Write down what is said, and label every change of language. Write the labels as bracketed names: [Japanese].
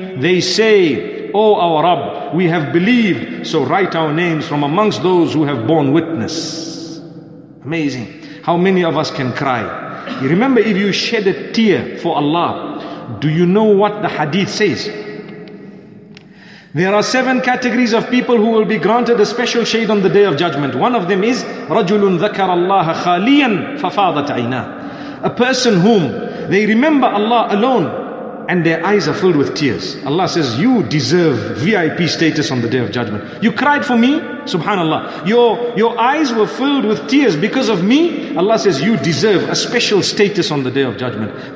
[English] They say, oh our Rabb, we have believed, so write our names from amongst those who have borne witness. Amazing. How many of us can cry? You remember, if you shed a tear for Allah, do you know what the hadith says? There are seven categories of people who will be granted a special shade on the Day of Judgment. One of them is [Arabic] رَجُلٌ ذَكَرَ اللَّهَ خَالِيًا فَفَاضَتْ عَيْنَاهُ. [English] A person whom they remember Allah alone and their eyes are filled with tears. Allah says, you deserve VIP status on the Day of Judgment. You cried for me, subhanAllah. Your eyes were filled with tears because of me. Allah says, you deserve a special status on the Day of Judgment.